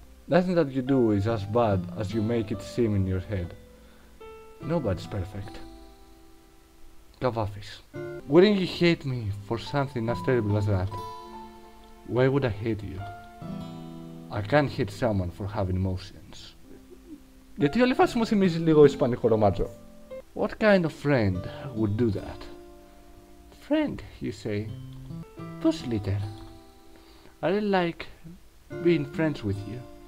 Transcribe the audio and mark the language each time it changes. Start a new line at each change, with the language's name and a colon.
English: Nothing that you do is as bad as you make it seem in your head. Nobody's perfect.
Greek: Καβάφης.
English: Wouldn't you hate me for something as terrible as that? Why would I hate you? I can't hate someone for having emotions.
Greek: Γιατί όλη φάση μου θυμίζει λίγο Ισπανικό Ρωμάτζο.
English: What kind of friend would do that? Friend, you say? Pussy Licker, I really like being friends with you.